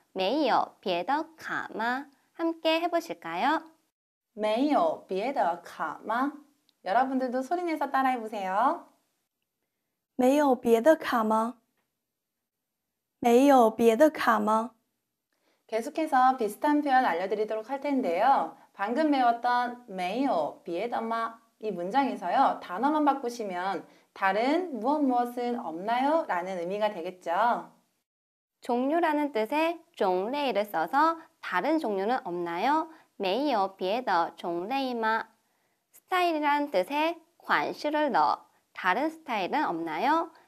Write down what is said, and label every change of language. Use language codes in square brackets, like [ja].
[zh] 没有别的卡吗? [ko] 함께 해보실까요? [zh] 没有别的卡吗? [ko] 여러분들도 소리내서 따라해보세요. [zh] 没有别的卡吗?没有别的卡吗? [ko] 계속해서 비슷한 표현 알려드리도록 할 텐데요. 방금 배웠던 [zh] 没有别的吗? [ko] 이 문장에서요, 단어만 바꾸시면 다른 무엇 무엇은 없나요? 라는 의미가 되겠죠. 종류라는 뜻의 종类를 써서 다른 종류는 없나요? [zh] 没有别的种类吗? [ko] 스타일이라는 뜻의 款式를 넣어 다른 스타일은 없나요?